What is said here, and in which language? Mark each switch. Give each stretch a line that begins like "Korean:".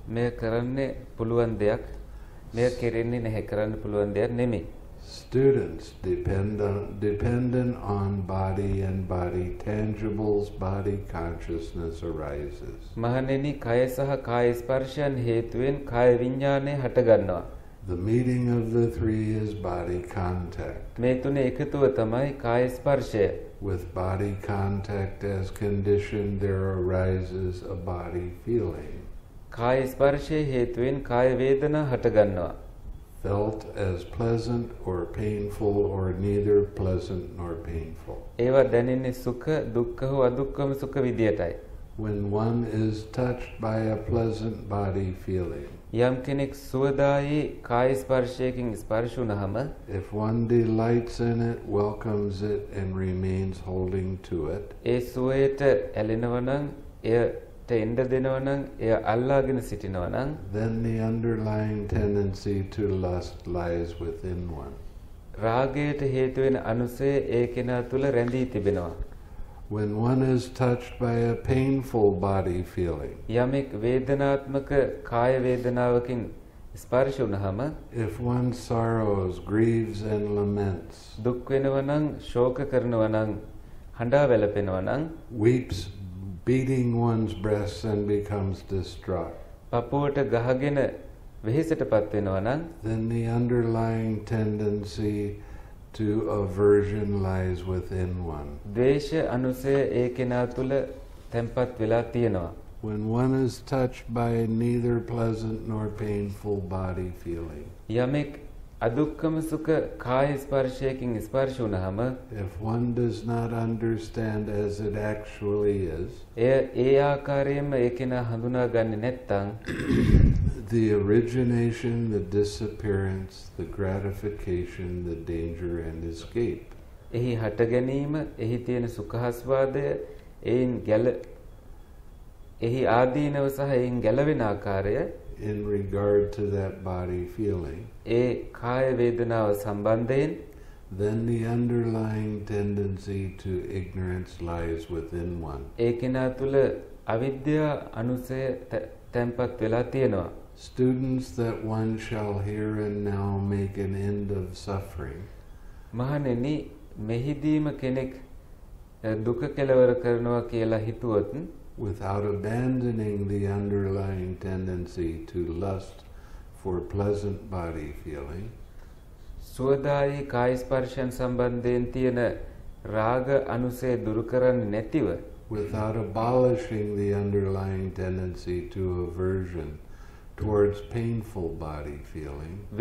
Sinhala: මේ කරන්නේ පුළුවන් දෙයක් මේ කෙරෙන්නේ නැහැ කරන්න පුළුවන් දෙයක් නෙමෙයි.
English: Students dependent on body and body tangibles, body consciousness arises.
Sinhala: මහණෙනි කය සහ කාය ස්පර්ශයන් හේතුවෙන් කාය විඥානය හට ගන්නවා.
English: The meeting of the three is body contact.
Sinhala: මේ තුනේ එකතුව තමයි කාය ස්පර්ශය.
English: With body contact as condition there arises a body feeling.
Sinhala: කාය ස්පර්ශයේ හේතුවෙන් කාය වේදනා හට ගන්නවා.
English: Felt as pleasant or painful or neither pleasant nor painful.
Sinhala: ඒව දැනෙන්නේ සුඛ දුක්ඛ හෝ අදුක්ඛම සුඛ විදියටයි.
English: When one is touched by a pleasant body feeling.
Sinhala: යම් කෙනෙක් සුවදායි කාය ස්පර්ශයකින් ස්පර්ශ වුනහම
English: if one delights in it, welcomes it and remains holding to it.
Sinhala: ඒ සුවයට ඇලෙනවා නම් එය එඳ දෙනවා නම් එය අල්ලාගෙන සිටිනවා නම්
English: then the underlying tendency to lust lies within one.
Sinhala: රාගයට හේතු වෙන අනුසය ඒකෙනා තුල රැඳී තිබෙනවා.
English: When one is touched by a painful body feeling.
Sinhala: යමෙක් වේදනාත්මක කාය වේදනාවකින් ස්පර්ශ වුනහම
English: if one sorrows, grieves and laments.
Sinhala: දුක් වෙනවා නම් ශෝක කරනවා නම් හඬා වැළපෙනවා නම්
English: weeps beating one's breast and becomes distraught.
Sinhala: පපුවට ගහගෙන වෙහෙසටපත් වෙනවා නම්
English: then the underlying tendency to aversion lies within one.
Sinhala: දේශ අනුසය ඒකෙනා තුල තැම්පත් වෙලා තියෙනවා.
English: When one is touched by neither pleasant nor painful body feeling.
Sinhala: යමෙක් අදුක්කම සුඛ කාය ස්පර්ශයකින් ස්පර්ශ වුනහම
English: if one does not understand as it actually is
Sinhala: එය ඒ ආකාරයෙන්ම ඒකෙන හඳුනා ගන්නෙ නැත්තම්
English: the origination, the disappearance, the gratification, the danger and escape
Sinhala: එහි හට ගැනීම එහි තියෙන සුඛාස්වාදය එයින් ගැල එහි ආදීනව සහ එයින් ගැලවෙන ආකාරය
English: in regard to that body feeling
Sinhala: ඒ කාය වේදනාව සම්බන්ධයෙන්
English: then the underlying tendency to ignorance lies within one
Sinhala: ඒකිනා තුල අවිද්‍යා අනුසය තැන්පත් වෙලා තියෙනවා.
English: Students that one shall here and now make an end of suffering
Sinhala: මහණෙනි මෙහිදීම කෙනෙක් දුක කෙලවර කරනවා කියලා හිතුවොත්
English: without abandoning the underlying tendency to lust for pleasant body feeling.
Sinhala: සුවදායි කාය ස්පර්ශයන් සම්බන්ධයෙන් තියෙන රාග අනුසය දුරු කරන්නේ නැතිව.
English: Without abolishing the underlying tendency to aversion towards painful body feeling.